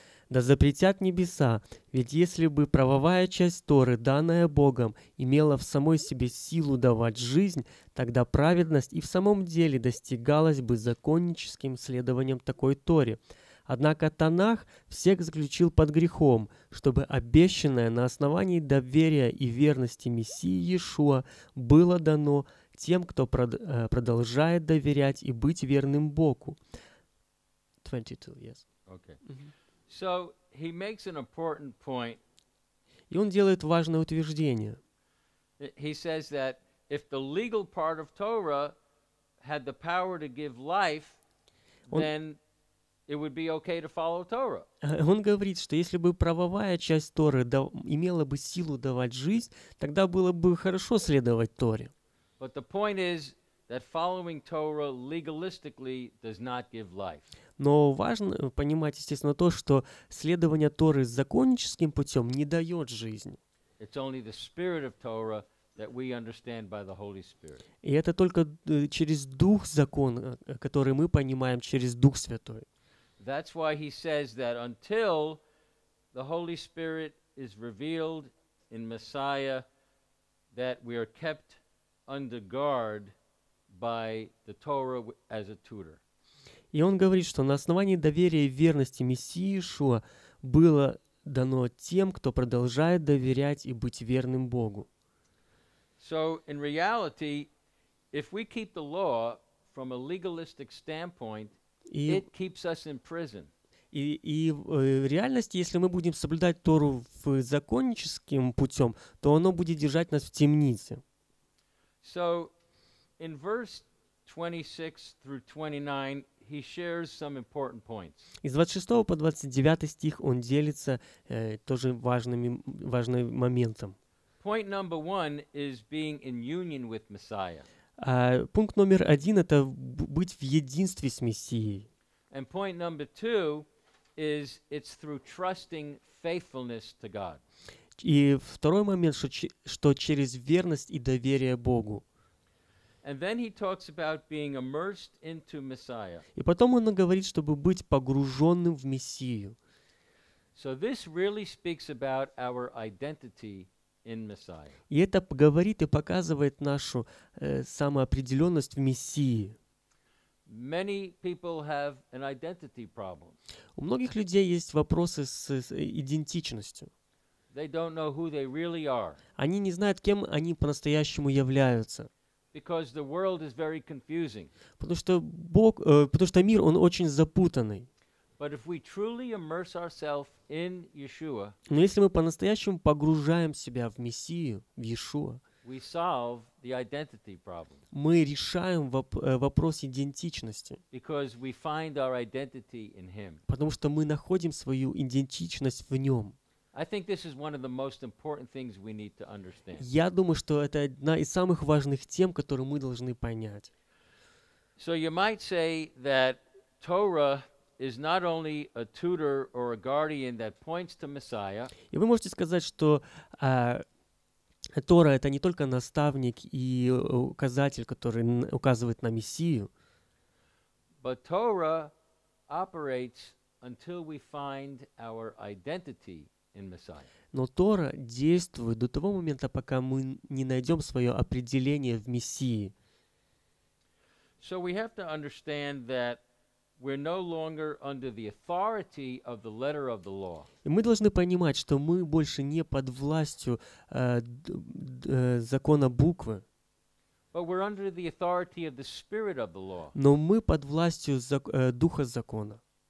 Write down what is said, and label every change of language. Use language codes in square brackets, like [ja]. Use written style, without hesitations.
[ru] Да запретят небеса, ведь если бы правовая часть Торы, данная Богом, имела в самой себе силу давать жизнь, тогда праведность и в самом деле достигалась бы законническим следованием такой Торе. Однако Танах всех заключил под грехом, чтобы обещанное на основании доверия и верности Мессии Иешуа было дано тем, кто продолжает доверять и быть верным Богу. [en] 22, yes. Okay. Mm-hmm. So he makes an important point. [ru] И он делает важное утверждение. [en] He says that if the legal part of Torah had the power to give life, then it would be okay to follow Torah. [ru] Он говорит, что если бы правовая часть Торы имела бы силу давать жизнь, тогда было бы хорошо следовать Торе. [en] But the point is that following Torah legalistically does not give life. [ru] Но важно понимать, естественно, то, что следование Торы законническим путем не дает жизнь. [en] It's only the spirit of Torah that we understand by the Holy Spirit. [ru] И это только через Дух закона, который мы понимаем через Дух Святой. [en] That's why he says that until the Holy Spirit is revealed in Messiah, that we are kept under guard by the Torah as a tutor. [ru] И он говорит, что на основании доверия и верности Мессии Иешуа было дано тем, кто продолжает доверять и быть верным Богу. [en] So in reality, if we keep the law from a legalistic standpoint, it keeps us in prison. [ru] И в реальности, если мы будем соблюдать Тору законническим путем, то оно будет держать нас в темнице. [en] So in verse 26 through 29, he shares some important points. [ru] Из 26 по 29 стих он делится тоже важным моментом. [en] Point number one is being in union with Messiah. [ru] Пункт номер один — это быть в единстве с Мессией. [en] And point number two is it's through trusting faithfulness to God. [ru] И второй момент, что через верность и доверие Богу. [en] And then he talks about being immersed into Messiah. [ru] И потом он говорит, чтобы быть погруженным в Мессию. [en] So this really speaks about our identity in Messiah. [ru] И это говорит и показывает нашу самоопределенность в Мессии. [en] Many people have an identity problem. [ru] У многих людей есть вопросы с идентичностью. [en] They don't know who they really are. [ru] Они не знают, кем они по-настоящему являются. [en] Because the world is very confusing. [ru] Потому что мир, он очень запутанный. [en] But if we truly immerse ourselves in Yeshua, [ru] но если мы по-настоящему погружаем себя в Мессию, в Иешуа, [en] we solve the identity problem. [ru] Мы решаем вопрос идентичности. [en] Because we find our identity in him. [ru] Потому что мы находим свою идентичность в нем. [en] I think this is one of the most important things we need to understand. [ru] Я думаю, что это одна из самых важных тем, которые мы должны понять. [en] So you might say that Torah is not only a tutor or a guardian that points to Messiah. [ru] И вы можете сказать, что Тора — это не только наставник и указатель, который указывает на Мессию. [en] But Torah operates until we find our identity. [ru] Но Тора действует до того момента, пока мы не найдем свое определение в Мессии. [en] So we have to understand that we're no longer under the authority of the letter of the law. [ru] И мы должны понимать, что мы больше не под властью закона буквы. [en] But we're under the authority of the spirit of the law. [ru] Но мы под властью духа закона.